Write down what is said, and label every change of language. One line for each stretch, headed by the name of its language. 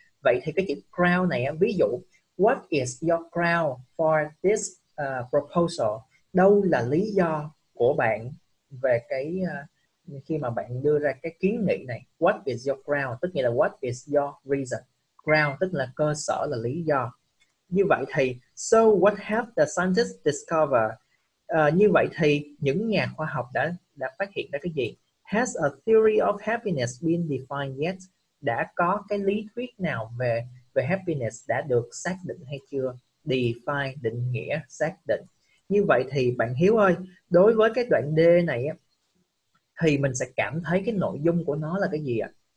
Vietnamese: Vậy thì cái chữ ground này, ví dụ
English: what is your ground for this proposal?
Vietnamese: Đâu là lý do của bạn về cái khi mà bạn đưa ra cái kiến nghị này?
English: What is your ground?
Vietnamese: Tức nghĩa là
English: what is your reason?
Vietnamese: Ground tức là cơ sở, là lý do. Như vậy thì,
English: so what have the scientists discovered?
Vietnamese: Như vậy thì những nhà khoa học đã phát hiện ra cái gì?
English: Has a theory of happiness been defined yet?
Vietnamese: Đã có cái lý thuyết nào về happiness đã được xác định hay chưa? Define, định nghĩa, xác định. Như vậy thì bạn Hiếu ơi, đối với cái đoạn D này á, thì mình sẽ cảm thấy cái nội dung của nó là cái gì ạ?